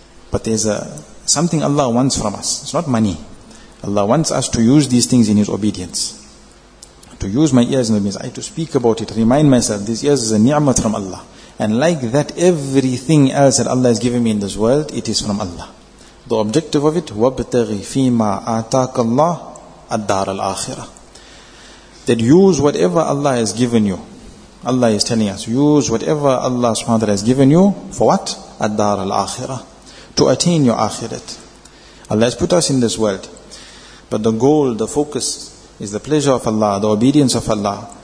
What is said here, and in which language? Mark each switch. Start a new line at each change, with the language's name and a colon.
English: But there's something Allah wants from us. It's not money. Allah wants us to use these things in His obedience. To use my ears in obedience. I to speak about it. Remind myself, these ears is a ni'mat from Allah. And like that, everything else that Allah has given me in this world, it is from Allah. The objective of it,
Arabic: وَابْتَغِ فِي مَا آتَاكَ اللَّهُ الدَّارَ الْآخِرَةِ.
English: That use whatever Allah has given you. Allah is telling us, use whatever Allah subhanahu wa ta'ala has given you, for what?
Arabic: الدَّارَ الْآخِرَةِ.
English: To attain your akhirat. Allah has put us in this world. But the goal, the focus, is the pleasure of Allah, the obedience of Allah.